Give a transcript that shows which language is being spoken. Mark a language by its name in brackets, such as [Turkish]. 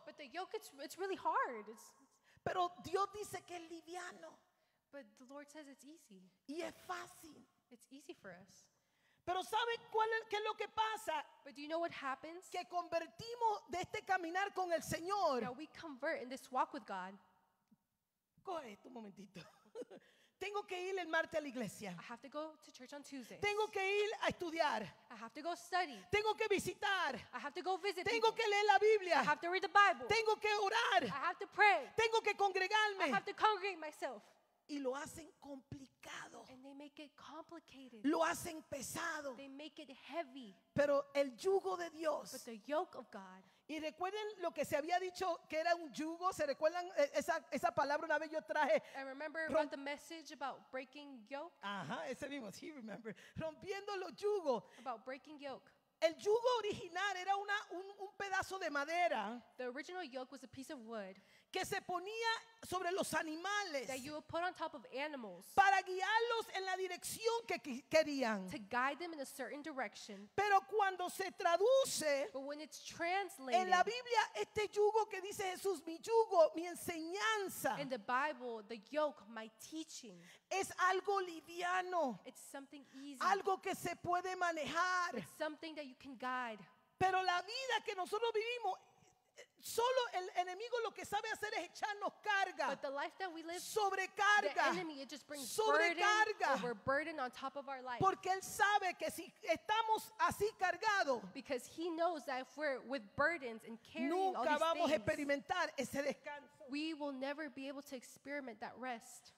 [English] But the yoke it's really hard. [Spanish] Pero Dios dice que es liviano. [English] But the Lord says it's easy. [Spanish] Y es fácil. [English] It's easy for us. [Spanish] Pero ¿sabe cuál es, qué es lo que pasa? [English] But do you know what happens? [Spanish] Que convertimos de este caminar con el Señor. [English] Now we convert in this walk with God. [Spanish] Coge esto un momentito. Tengo que ir el martes a la iglesia. [English] I have to go to church on Tuesday. [Spanish] Tengo que ir a estudiar. [English] I have to go study. [Spanish] Tengo que visitar. [English] I have to go visit. [Spanish] Tengo [English] people. [Spanish] Que leer la Biblia. [English] I have to read the Bible. [Spanish] Tengo que orar. [English] I have to pray. [Spanish] Tengo que congregarme. [English] I have to congregate myself. [Spanish] Y lo hacen complicado. [English] And they make it complicated. [Spanish] Lo hacen pesado. [English] They make it heavy. [Spanish] Pero el yugo de Dios. [English] But the yoke of God. [Spanish] Y recuerden lo que se había dicho que era un yugo. ¿Se recuerdan esa palabra una vez yo traje? [English] I remember about the message about breaking yoke. [Spanish] Ajá, ese mismo. [English] He remember. [Spanish] Rompiendo los yugos. [English] About breaking yoke. [Spanish] El yugo original era un pedazo de madera. [English] The original yoke was a piece of wood. [Spanish] Que se ponía sobre los animales. [English] That you would put on top of animals. [Spanish] Para guiarlos en la dirección que querían. [English] To guide them in a certain direction. [Spanish] Pero cuando se traduce. [English] But when it's translated. [Spanish] En la Biblia, este yugo que dice Jesús, mi yugo, mi enseñanza. [English] In the Bible, the yoke, my teaching. [Spanish] Es algo liviano. [English] It's something easy. [Spanish] Algo que se puede manejar. [English] It's something that you can guide. [Spanish] Pero la vida que nosotros vivimos. Solo el enemigo lo que sabe hacer es echarnos carga. [English] But the life that we live, [Spanish] sobrecarga. [English] The enemy, it just brings sobrecarga. Burden on top of our life. [Spanish] Porque él sabe que si estamos así cargado. [English] Because he knows that if we're with burdens and carrying all these things. [Spanish] Nunca vamos a experimentar ese descanso. [English] We will never be able to experiment that rest.